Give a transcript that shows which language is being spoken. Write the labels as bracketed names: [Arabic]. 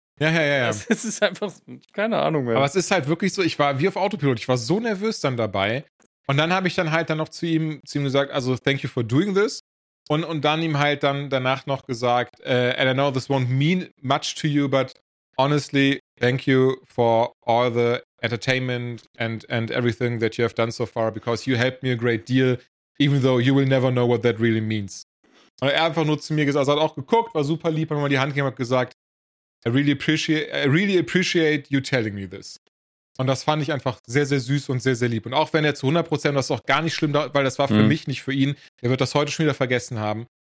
[German] Ja. Es ist einfach, keine Ahnung mehr. Aber es ist halt wirklich so, ich war wie auf Autopilot, ich war so nervös dann dabei. Und dann habe ich dann halt dann noch zu ihm gesagt, also [English] thank you for doing this. [German] Und dann ihm halt dann danach noch gesagt, [English] and I know this won't mean much to you, but honestly, thank you for all the entertainment and everything that you have done so far, because you helped me a great deal, even though you will never know what that really means. [German] Und er einfach nur zu mir gesagt, also hat auch geguckt, war super lieb, hat mir mal die Hand gegeben und gesagt, [English] I really appreciate you telling me this. [German] Und das fand ich einfach sehr, sehr süß und sehr, sehr lieb. Und auch wenn er zu 100%, das ist auch gar nicht schlimm, weil das war für mich, nicht für ihn, er wird das heute schon wieder vergessen haben.